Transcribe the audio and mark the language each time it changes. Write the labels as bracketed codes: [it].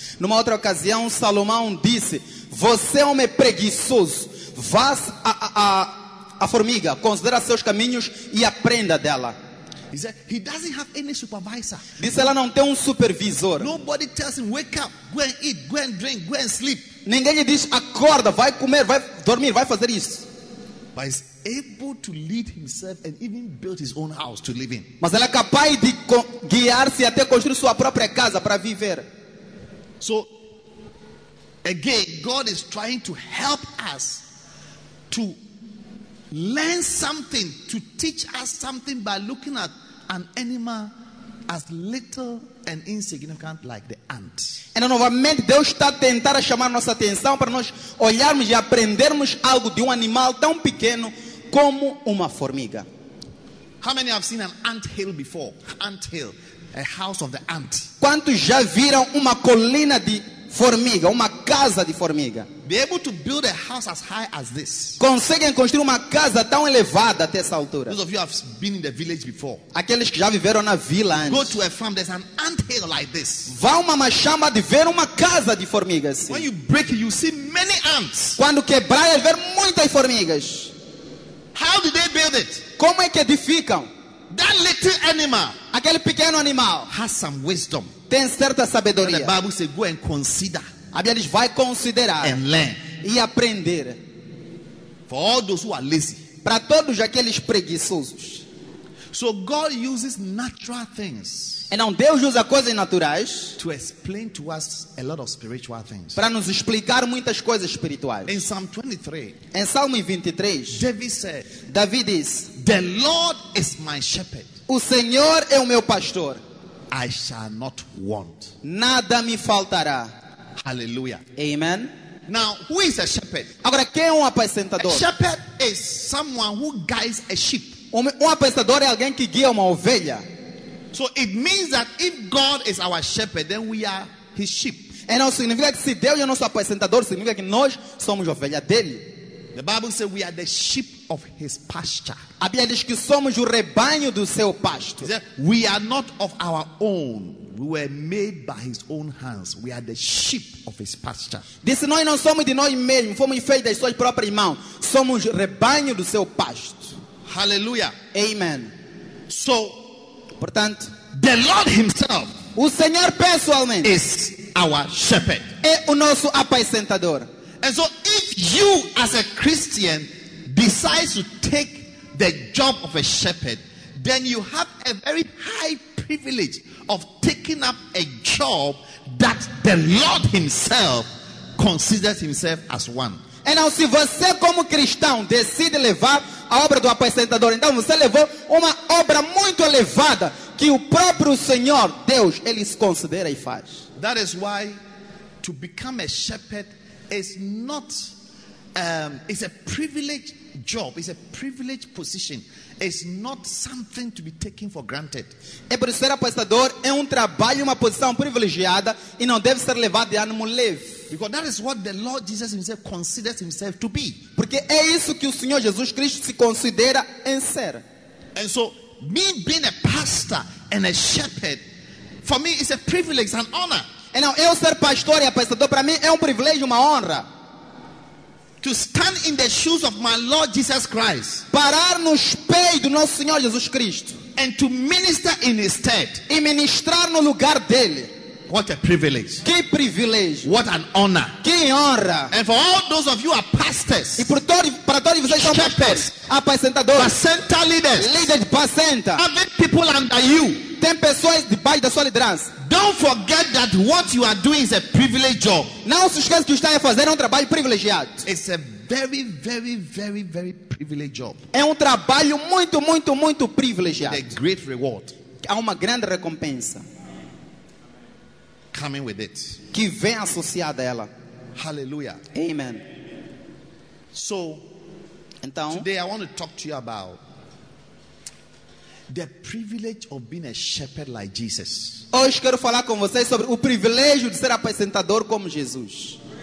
[pt] Numa outra ocasião, Salomão disse, "Você é homem preguiçoso, vás à formiga, considera seus caminhos e aprenda dela." [en] He said he doesn't have any supervisor. [pt] Disse ela não tem supervisor. [en] Nobody tells him wake up, go and eat, go and drink, go and sleep. [pt] Ninguém lhe diz acorda, vai comer, vai dormir, vai fazer isso. [en] But he's able to lead himself and even build his own house to live in. [pt] Mas ela é capaz de guiar-se até construir sua própria casa para viver. [en] So again, God is trying to help us to learn something, to teach us something by looking at an animal as little and insignificant like the ant. [pt] Então, novamente, Deus está a tentar chamar nossa atenção para nós olharmos e aprendermos algo de animal tão pequeno como uma formiga. [en] How many have seen an ant hill before? Ant hill, a house of the ant. [pt] Quantos já viram uma colina de formiga, uma casa de formiga? [en] Be able to build a house as high as this. [pt] Conseguem construir uma casa tão elevada até essa altura? [en] Those of you have been in the village before. [pt] Aqueles que já viveram na vila antes. [en] Go to a farm, there's an ant hill like this. [pt] Vá a uma chama de ver uma casa de formigas. [en] When you break it, you see many ants. [pt] Quando quebrar, você vê muitas formigas. [en] How do they build it? [pt] Como é que edificam? [en] That little animal. [pt] Aquele pequeno animal [en] has some wisdom. [pt] Tem certa sabedoria. [en] The Bible says, go and consider. [pt] A Bíblia diz, vai considerar. [en] And learn. [pt] E aprender. [en] For all those who are lazy. [pt] Para todos aqueles preguiçosos. [en] So God uses natural things. [pt] Então Deus usa coisas naturais. [en] To explain to us a lot of spiritual things. [pt] Para nos explicar muitas coisas espirituais. [en] In Psalm 23. [pt] Em Salmo 23. [en] David said. [pt] Davi diz. [en] The Lord is my shepherd. [pt] O Senhor é o meu pastor. [en] I shall not want. [pt] Nada me faltará. Hallelujah. Amen. [en] Now, who is a shepherd? [pt] Agora, quem é apacentador? [en] A shepherd is someone who guides a sheep. [pt] Apacentador é alguém que guia uma ovelha. [en] So it means that if God is our shepherd, then we are his sheep. [pt] Então, significa que se Deus é nosso apacentador, significa que nós somos ovelha dele. [en] The Bible says we are the sheep of his pasture. [pt] A Bíblia diz que somos o rebanho do seu pasto. [en] We are not of our own. We were made by his own hands. We are the sheep of his pasture. [pt] Disse, nós não somos de nós mesmos. Fomos feitos das suas próprias mãos. Somos o rebanho do seu pasto. Hallelujah. Amen. [en] So, [pt] portanto, [en] the Lord himself, [pt] o Senhor pessoalmente, [en] is our shepherd. [pt] É o nosso apacentador. [en] And so if you as a Christian decide to take the job of a shepherd, then you have a very high privilege of taking up a job that the Lord himself considers himself as one. [pt] Então, se você como cristão decide levar a obra do apacentador, então você levou uma obra muito elevada que o próprio Senhor Deus ele se considera e faz. [en] That is why to become a shepherd is not it's a privileged job, it's a privileged position. It's not something to be taken for granted. [pt] É por ser apostador é um trabalho, uma posição privilegiada e não deve ser levado de ânimo leve. [en] Because that is what the Lord Jesus himself considers himself to be. [pt] Porque é isso que o Senhor Jesus Cristo se considera em ser. [en] And so, me being a pastor and a shepherd, for me it's a privilege, it's an honor. [pt] E não, eu ser pastor e apacentador para mim é um privilégio, uma honra. [en] To stand in the shoes of my Lord Jesus Christ. [pt] Parar nos pés do nosso Senhor Jesus Cristo. [en] And to minister in his stead. [pt] E ministrar no lugar dele. [en] What a privilege. [pt] Que privilégio. [en] What an honor. [pt] Que honra. [en] And for all those of you are pastors. [pt] E para todos vocês são pastores. Apacentadores. [en] Pastor leaders. [pt] Leaders de pastor. [en] Having people under you. [pt] Tem pessoas debaixo da sua liderança. [en] Don't forget that what you are doing is a privileged job. [pt] Não se esqueça que o que está a fazer é trabalho privilegiado. [en] It's a very, very, very, very privileged job. [pt] É trabalho muito, muito, muito privilegiado. [en] A great reward. [pt] Há uma grande recompensa. [en] Coming with it. [pt] Que vem associada a ela. Hallelujah. Amen. [en] So, [pt] então, [en] today I want to talk to you about the privilege of being a shepherd like Jesus. [pt] Hoje quero falar com vocês sobre o privilégio de ser apacentador como Jesus.